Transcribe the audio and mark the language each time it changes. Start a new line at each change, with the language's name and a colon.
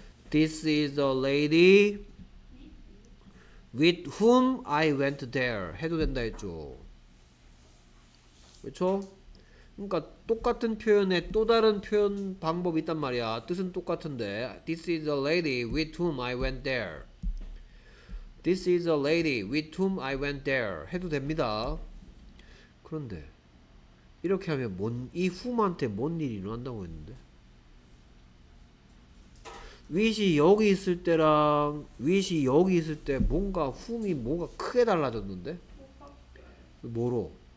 English: This is a lady with whom I went there
Korean: 해도 된다 했죠. 그쵸? 그러니까 똑같은 표현에 또 다른 표현 방법이 있단 말이야. 뜻은 똑같은데,
English: This is a lady with whom I went there. This is a lady with whom I went there.
Korean: 해도 됩니다. 그런데 이렇게 하면 뭔, 이 whom한테 뭔 일이 일어난다고 했는데? which이 여기 있을 때랑 which이 여기 있을 때 뭔가 whom이 뭐가 크게 달라졌는데? 뭐로?